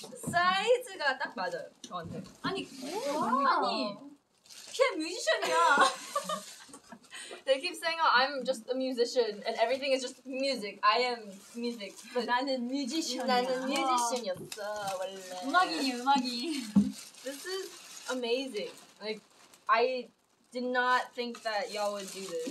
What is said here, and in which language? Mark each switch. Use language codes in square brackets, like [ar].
[ko] 사이즈가 딱 맞아요, 저한테. 아니, 아니, 걔 뮤지션이야. [en] They keep saying, oh, I'm just a musician and everything is just music. I am music. But [ko] 나는 뮤지션. 나는 뮤지션이었어, 원래. 음악이니, 음악이. [en] This is amazing. Like, I... did not think that y'all would do this.